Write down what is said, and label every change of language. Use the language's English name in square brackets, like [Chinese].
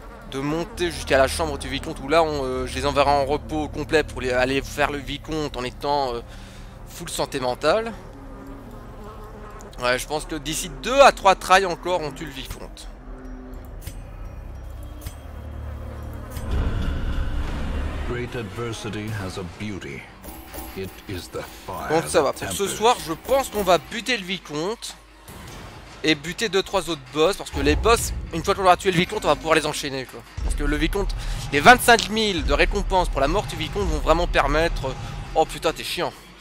[French] De monter jusqu'à la chambre du vicomte où là on, je les enverrai en repos complet pour les, aller faire le vicomte en étant full santé mentale. Ouais, je pense que d'ici 2 à 3 trails encore, on tue le vicomte. [English] Great adversity has a beauty. It is the fire. [French] Donc ça va, pour ce soir, je pense qu'on va buter le vicomte et buter 2-3 autres boss parce que les boss, une fois qu'on aura tué le vicomte, on va pouvoir les enchaîner quoi. Parce que le vicomte, les 25 000 de récompenses pour la mort du vicomte vont vraiment permettre. Oh putain, t'es chiant.